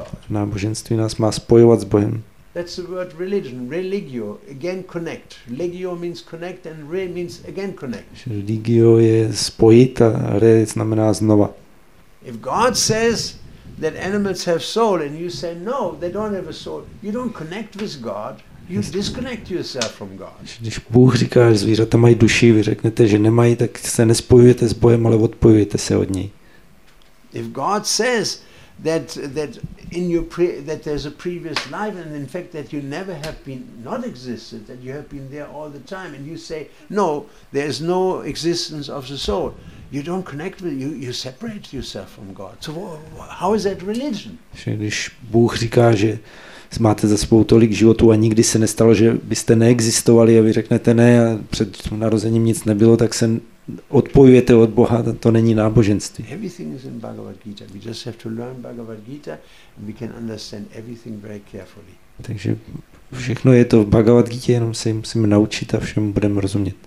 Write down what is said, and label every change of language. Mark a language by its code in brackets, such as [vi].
[cs] Náboženství nás má spojovat s Bohem. [en] That's the word religion, religio, again connect. Legio means connect and re means again connect. [cs] Religio je spojit a re znamená znova. [en] If God says that animals have soul and you say no, they don't have a soul, you don't connect with God, you disconnect yourself from God. [cs] Když Bůh říká, že zvířata mají duši, vy řeknete, že nemají, tak se nespojujete s Bohem, ale odpojujete se od něj. [en] If God says that in your that there's a previous life and in fact that you never have been not existed, that you have been there all the time, and you say no, there is no existence of the soul, you don't connect with you separate yourself from God. So how is that religion? [cs] Když Bůh říká, že máte za sebou tolik životů a nikdy se nestalo, že byste neexistovali, a vy řeknete ne a před narozením nic nebylo, tak se odpojujete od Boha, to není náboženství. [en] Everything is in Bhagavad Gita. We just have to learn Bhagavad Gita and we can understand everything very carefully. [cs] Takže všechno je to v Bhagavad Gita, jenom se musíme naučit a všem budeme rozumět.